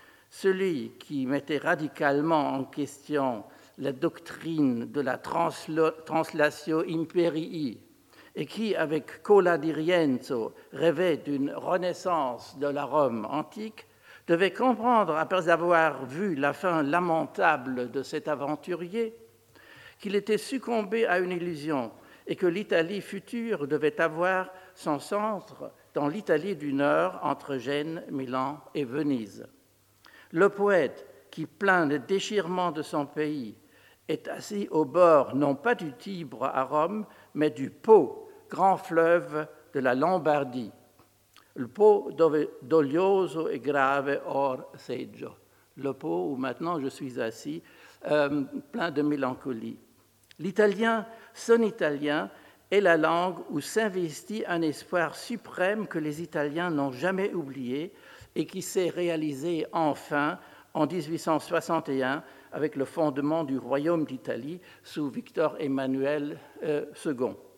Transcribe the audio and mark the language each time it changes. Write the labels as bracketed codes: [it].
[fr] Celui qui mettait radicalement en question la doctrine de la translatio imperii et qui, avec Cola di Rienzo, rêvait d'une renaissance de la Rome antique, devait comprendre, après avoir vu la fin lamentable de cet aventurier, qu'il était succombé à une illusion et que l'Italie future devait avoir son centre dans l'Italie du Nord, entre Gênes, Milan et Venise. Le poète, qui plaint le déchirement de son pays, est assis au bord, non pas du Tibre à Rome, mais du Po, grand fleuve de la Lombardie. [it] Le Po dove doglioso e grave or seggio. [fr] Le Po où maintenant je suis assis, plein de mélancolie. L'italien, son italien, est la langue où s'investit un espoir suprême que les Italiens n'ont jamais oublié et qui s'est réalisé enfin en 1861 avec le fondement du Royaume d'Italie sous Victor Emmanuel II.